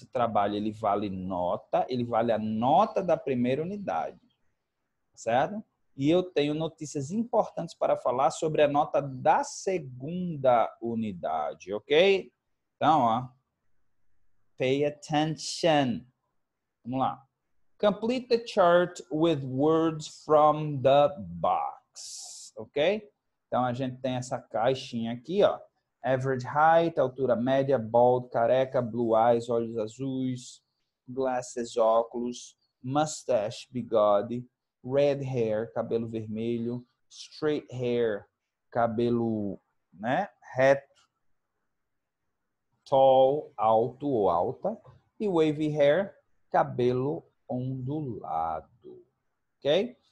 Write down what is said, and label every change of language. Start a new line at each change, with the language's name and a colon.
Portuguese: Esse trabalho, ele vale nota, ele vale a nota da primeira unidade, certo? E eu tenho notícias importantes para falar sobre a nota da segunda unidade, ok? Então, ó,
English: pay attention.
Portuguese: Vamos lá.
English: Complete the chart with words from the box, ok?
Portuguese: Então, a gente tem essa caixinha aqui, ó. Average height, altura média, bald, careca, blue eyes, olhos azuis, glasses, óculos, mustache, bigode, red hair, cabelo vermelho, straight hair, cabelo, né, reto, tall, alto ou alta, e wavy hair, cabelo ondulado, ok?